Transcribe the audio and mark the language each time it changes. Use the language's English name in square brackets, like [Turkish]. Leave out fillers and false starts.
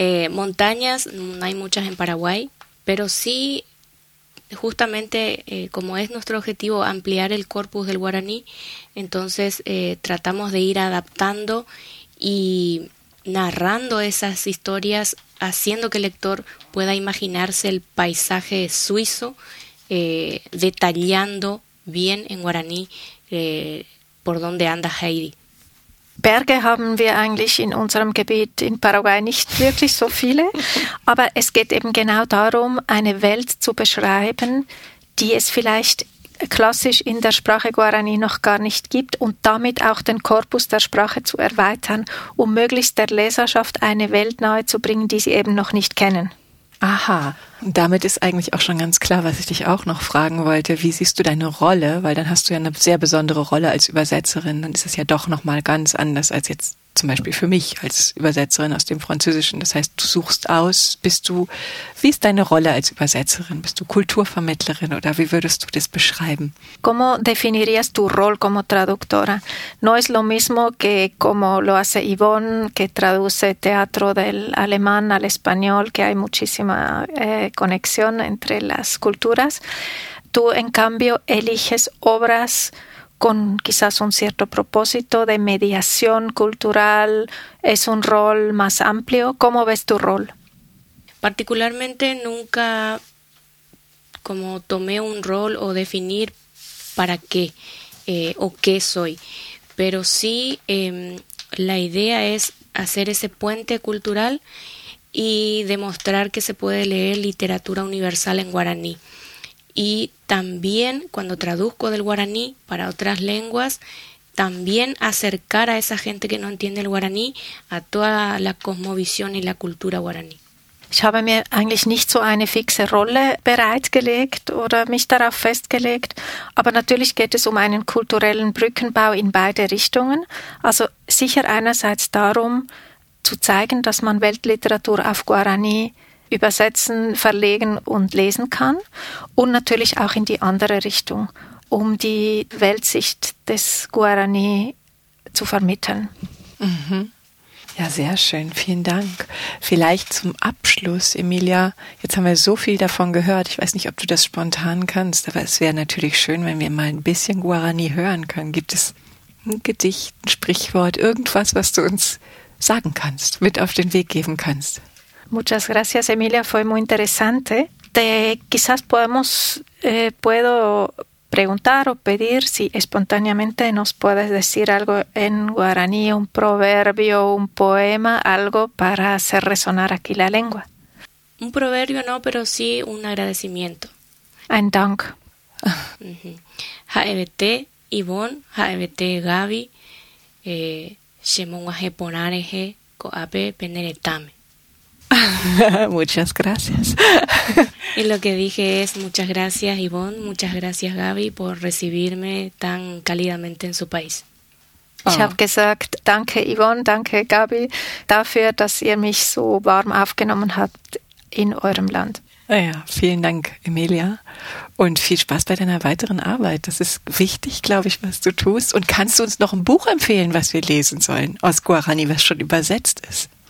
[Spanish] Montañas, no hay muchas en Paraguay, pero sí, justamente como es nuestro objetivo ampliar el corpus del guaraní, entonces tratamos de ir adaptando y narrando esas historias, haciendo que el lector pueda imaginarse el paisaje suizo, detallando bien en guaraní por dónde anda Heidi. [German] Berge haben wir eigentlich in unserem Gebiet in Paraguay nicht wirklich so viele. Aber es geht eben genau darum, eine Welt zu beschreiben, die es vielleicht klassisch in der Sprache Guarani noch gar nicht gibt und damit auch den Korpus der Sprache zu erweitern, um möglichst der Leserschaft eine Welt nahe zu bringen, die sie eben noch nicht kennen. Aha, und damit ist eigentlich auch schon ganz klar, was ich dich auch noch fragen wollte. Wie siehst du deine Rolle? Weil dann hast du ja eine sehr besondere Rolle als Übersetzerin. Dann ist es ja doch nochmal ganz anders als jetzt zum Beispiel für mich als Übersetzerin aus dem Französischen. Das heißt, du suchst aus, wie ist deine Rolle als Übersetzerin? Bist du Kulturvermittlerin oder wie würdest du das beschreiben? [Spanish] ¿Cómo definirías tu rol como traductora? No es lo mismo que como lo hace Yvonne, que traduce teatro del alemán al español, que hay muchísima conexión entre las culturas. Tú, en cambio, eliges obras con quizás un cierto propósito de mediación cultural, es un rol más amplio. ¿Cómo ves tu rol? Particularmente nunca como tomé un rol o definir para qué o qué soy, pero sí la idea es hacer ese puente cultural y demostrar que se puede leer literatura universal en guaraní. Y también cuando traduzco del guaraní para otras lenguas, también acercar a esa gente que no entiende el guaraní a toda la cosmovisión y la cultura guaraní. [German] Ich habe mir eigentlich nicht so eine fixe Rolle bereitgelegt oder mich darauf festgelegt, aber natürlich geht es um einen kulturellen Brückenbau in beide Richtungen. Also sicher einerseits darum zu zeigen, dass man Weltliteratur auf Guaraní übersetzen, verlegen und lesen kann und natürlich auch in die andere Richtung, um die Weltsicht des Guarani zu vermitteln. Mhm. Ja, sehr schön, vielen Dank. Vielleicht zum Abschluss, Emilia, jetzt haben wir so viel davon gehört, ich weiß nicht, ob du das spontan kannst, aber es wäre natürlich schön, wenn wir mal ein bisschen Guarani hören können. Gibt es ein Gedicht, ein Sprichwort, irgendwas, was du uns sagen kannst, mit auf den Weg geben kannst? [Spanish] Muchas gracias, Emilia. Fue muy interesante. Quizás puedo preguntar o pedir si espontáneamente nos puedes decir algo en guaraní, un proverbio, un poema, algo para hacer resonar aquí la lengua. Un proverbio no, pero sí un agradecimiento. [German] Ein Dank. [Guarani] HBT, Yvonne, HBT, Gaby, Shemungaje Ponareje, Koape, Peneretame. [Spanish] Muchas gracias. Y lo que dije es muchas gracias, Yvonne, muchas gracias, Gaby, por recibirme tan cálidamente en su país. Oh. [German] Ich habe gesagt, danke, Yvonne, danke, Gaby, dafür, dass ihr mich so warm aufgenommen habt in eurem Land. Ja, vielen Dank, Emilia. Und viel Spaß bei deiner weiteren Arbeit. Das ist wichtig, glaube ich, was du tust. Und kannst du uns noch ein Buch empfehlen, was wir lesen sollen, aus Guarani, was schon übersetzt ist?